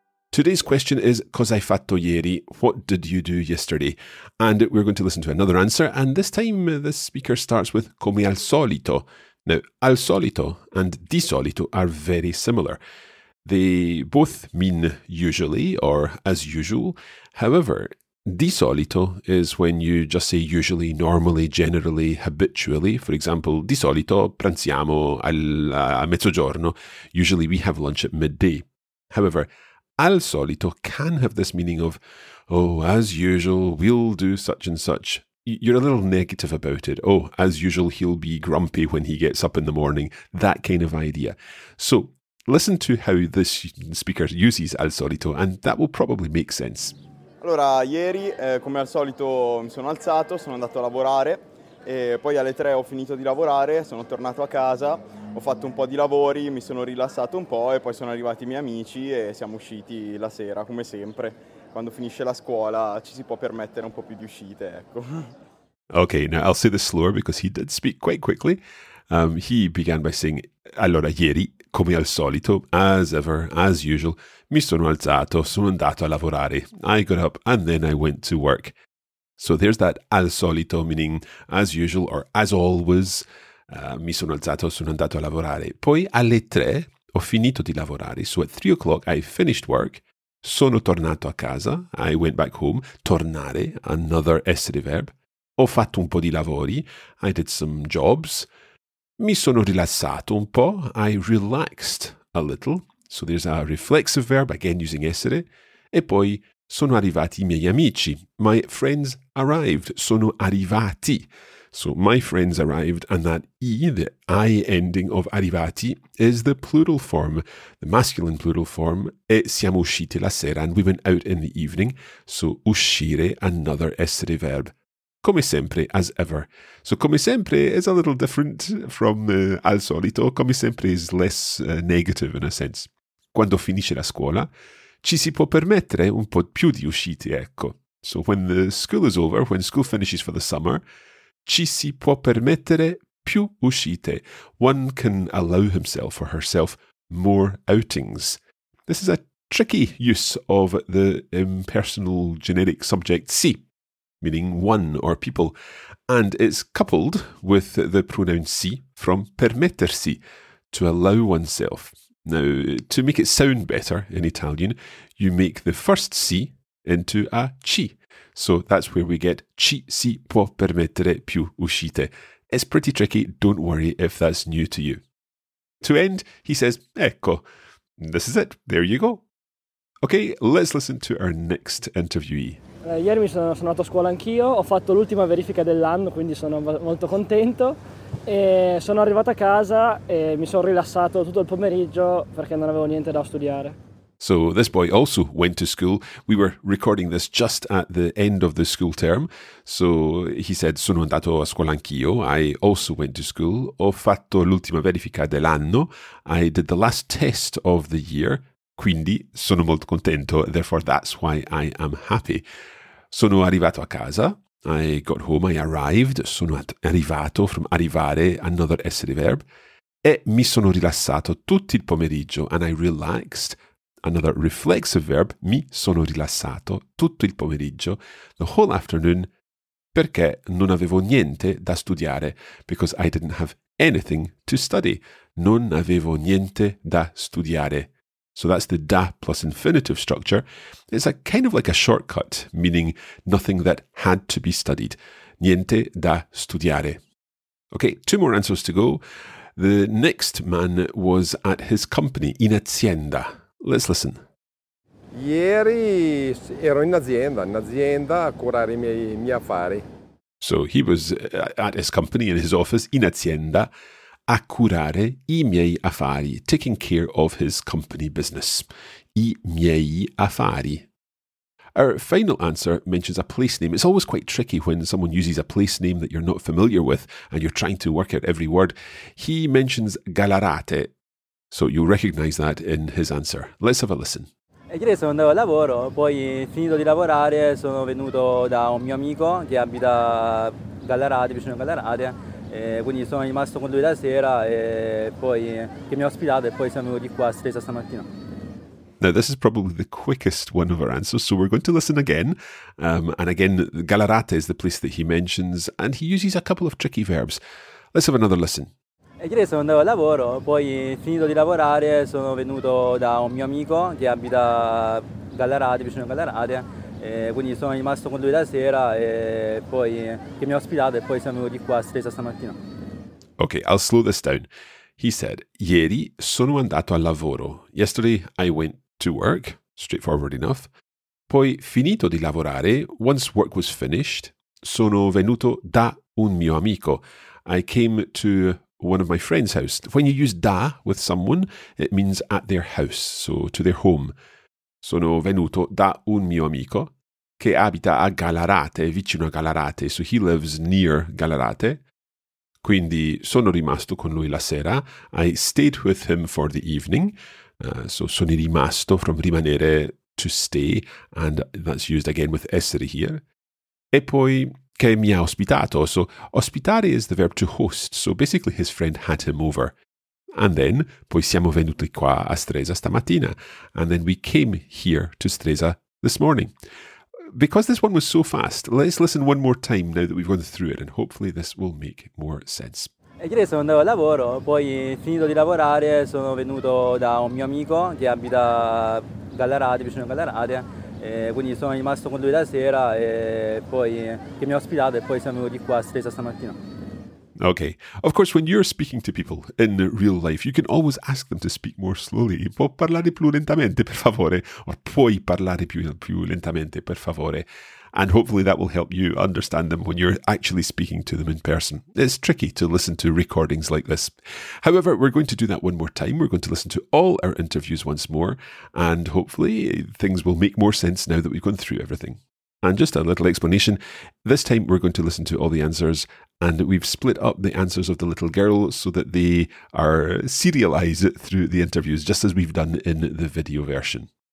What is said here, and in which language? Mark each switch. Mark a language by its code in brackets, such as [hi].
[en] Today's question is, [it] cosa hai fatto ieri? [en] What did you do yesterday? And we're going to listen to another answer, and this time the speaker starts with [it] come al solito. [en] Now, [it] al solito [en] and [it] di solito [en] are very similar. They both mean usually or as usual. However, [it] di solito [en] is when you just say usually, normally, generally, habitually. For example, [it] di solito pranziamo a mezzogiorno. [en] Usually we have lunch at midday. However, [it] al solito [en] can have this meaning of, oh, as usual, we'll do such and such. You're a little negative about it. Oh, as usual, he'll be grumpy when he gets up in the morning. That kind of idea. So listen to how this speaker uses [it] al solito, [en] and that will probably make sense. [it] Allora, ieri, come al solito, mi sono alzato, sono andato a lavorare, e poi alle tre ho finito di lavorare, sono tornato a casa. Ho fatto un po' di lavori, mi sono rilassato un po' e poi sono arrivati i miei amici e siamo usciti la sera, come sempre. Quando finisce la scuola ci si può permettere un po' più di uscite, ecco. [en] Okay, now I'll say this slower because he did speak quite quickly. He began by saying, [it] allora, ieri, come al solito, as ever, as usual, mi sono alzato, sono andato a lavorare. [en] I got up and then I went to work. So there's that [it] al solito, [en] meaning as usual or as always. [it] Mi sono alzato, sono andato a lavorare. Poi alle tre ho finito di lavorare. [en] So at 3 o'clock I finished work. [it] Sono tornato a casa. [en] I went back home. Tornare, another essere verb. [it] Ho fatto un po' di lavori. [en] I did some jobs. [it] Mi sono rilassato un po'. [en] I relaxed a little. So there's a reflexive verb, again using essere. [it] E poi sono arrivati i miei amici. [en] My friends arrived. [it] Sono arrivati. [en] So my friends arrived, and that e, the I ending of arrivati, is the plural form, the masculine plural form. [it] E siamo usciti la sera, [en] and we went out in the evening. So uscire, another essere verb. [it] Come sempre, [en] as ever. So [it] come sempre [en] is a little different from [it] al solito. Come sempre [en] is less negative in a sense. [it] Quando finisce la scuola, ci si può permettere un po' più di uscite, ecco. [en] So when the school is over, when school finishes for the summer, [it] ci si può permettere più uscite. [en] One can allow himself or herself more outings. This is a tricky use of the impersonal generic subject si, meaning one or people. And it's coupled with the pronoun si from permettersi, to allow oneself. Now, to make it sound better in Italian, you make the first si into a ci. So that's where we get [it] ci si può permettere più uscite. [en] It's pretty tricky, don't worry if that's new to you. To end, he says, [it] ecco, [en] this is it, there you go. Okay, let's listen to our next interviewee. [it] Ieri sono andato a scuola anch'io, ho fatto l'ultima verifica dell'anno, quindi sono molto contento. E sono arrivato a casa e mi sono rilassato tutto il pomeriggio perché non avevo niente da studiare. [en] So this boy also went to school. We were recording this just at the end of the school term. So he said, [it] sono andato a scuola anch'io. [en] I also went to school. [it] Ho fatto l'ultima verifica dell'anno. [en] I did the last test of the year. [it] Quindi sono molto contento. [en] Therefore, that's why I am happy. [it] Sono arrivato a casa. [en] I got home. I arrived. Sono arrivato, from arrivare, another essere verb. [it] E mi sono rilassato tutto il pomeriggio. [en] And I relaxed. Another reflexive verb, [it] mi sono rilassato tutto il pomeriggio, [en] the whole afternoon, [it] perché non avevo niente da studiare, [en] because I didn't have anything to study. [it] Non avevo niente da studiare. [en] So that's the da plus infinitive structure. It's a kind of like a shortcut, meaning nothing that had to be studied. [it] Niente da studiare. [en] Okay, two more answers to go. The next man was at his company, [it] in azienda. [en] Let's listen. [it] Ieri ero in azienda a curare i miei affari. [en] So he was at his company, in his office, [it] in azienda, a curare i miei affari, [en] taking care of his company business. [it] I miei affari. [en] Our final answer mentions a place name. It's always quite tricky when someone uses a place name that you're not familiar with and you're trying to work out every word. He mentions Gallarate, so you'll recognize that in his answer. Let's have a listen. [it] E ieri sono andato al lavoro, poi finito di lavorare sono venuto da un mio amico che abita Gallarate, vicino a Gallarate, e quindi sono rimasto con lui la sera e poi che mi ha ospitato e poi siamo venuti qua stasera stamattina. [en] Now this is probably the quickest one of our answers, so we're going to listen again. And again, Gallarate is the place that he mentions, and he uses a couple of tricky verbs. Let's have another listen. [it] E ieri sono andato al lavoro, poi finito di lavorare sono venuto da un mio amico che abita Gallarate, vicino a Gallarate, e quindi sono rimasto con lui la sera e poi che mi ha ospitato e poi siamo venuti qua stasera stamattina. [en] Okay, I'll slow this down. He said, ieri sono andato al lavoro. Yesterday I went to work, straightforward enough. [it] Poi finito di lavorare, [en] once work was finished, [it] sono venuto da un mio amico. [en] I came to one of my friend's house. When you use da with someone, it means at their house, so to their home. [it] Sono venuto da un mio amico che abita a Gallarate, vicino a Gallarate. [en] So he lives near Gallarate. [it] Quindi sono rimasto con lui la sera. [en] I stayed with him for the evening. So sono rimasto, from rimanere, to stay. And that's used again with essere here. [it] E poi che mi ha ospitato. [en] So ospitare is the verb to host. So basically his friend had him over. And then, [it] poi siamo venuti qua a Stresa stamattina. [en] And then we came here to Stresa this morning. Because this one was so fast, let's listen one more time now that we've gone through it, and hopefully this will make more sense. [it] E ieri sono andato al lavoro, poi finito di lavorare sono venuto da un mio amico che abita Gallarate, vicino a Gallarate, e quindi sono rimasto con lui la sera e poi che mi ha ospitato e poi siamo venuti qua stasera stamattina. [en] Okay. Of course, when you're speaking to people in real life, you can always ask them to speak more slowly. [it] Può parlare più lentamente, per favore? Or puoi parlare più lentamente, per favore? [en] And hopefully that will help you understand them when you're actually speaking to them in person. It's tricky to listen to recordings like this. However, we're going to do that one more time. We're going to listen to all our interviews once more, and hopefully things will make more sense now that we've gone through everything. And just a little explanation, this time we're going to listen to all the answers, and we've split up the answers of the little girl so that they are serialized through the interviews, just as we've done in the video version.